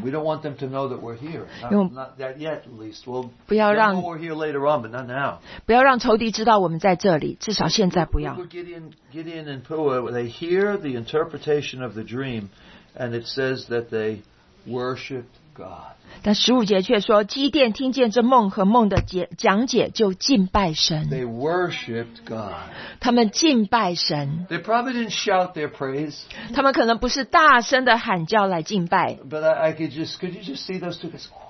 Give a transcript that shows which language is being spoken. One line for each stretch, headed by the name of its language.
English: we don't want them to know that we're here. Not that yet, at least. We'll know we're here later on, but not now.
Chinese: 不要让仇敌知道我们在这里, 至少现在不要。
English: Gideon and Pua, they hear the interpretation of the dream, and it says that they worshiped God.
Chinese: 但15节却说, 基甸听见这梦和梦的讲解就敬拜神。
English: They worshiped God.
Chinese: 他们敬拜神。
English: They probably didn't shout their praise.
Chinese: 他们可能不是大声的喊叫来敬拜。
English: But I could you just see those two guys?